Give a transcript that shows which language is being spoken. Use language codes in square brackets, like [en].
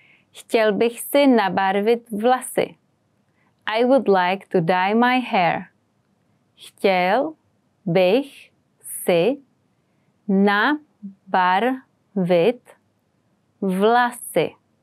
[cs] Chtěl bych si nabarvit vlasy. [en] I would like to dye my hair. [cs] Chtěl bych si nabarvit vlasy.